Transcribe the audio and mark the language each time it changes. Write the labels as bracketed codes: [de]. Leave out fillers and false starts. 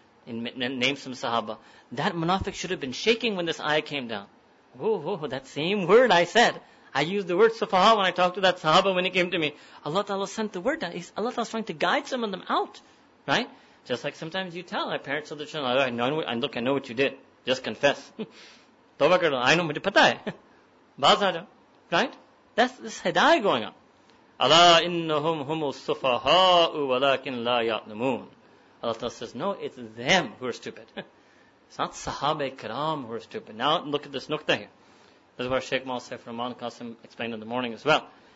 [en] Name some sahaba. That munafiq should have been shaking when this ayah came down. Oh, that same word I said. I used the word sufaha when I talked to that sahaba when he came to me. Allah Ta'ala sent the word down. Allah Ta'ala is trying to guide some of them out. Right? Just like sometimes you tell our parents of the children, I know what you did. Just confess. [ur] توبہ کر لو۔ [en] I know [ur] مجھے پتا ہے۔ باز آ جاؤ۔ [en] Right? That's this hidayah going on. Allah [ar] innahum humu sufaha'u walakin la ya'lamun. [en] Allah Ta'ala says, no, it's them who are stupid. It's not Sahaba-e-Kiram who are stupid. Now look at this nukta here. This is what Shaykh Mal Saif Rahman Qasim explained in the morning as well.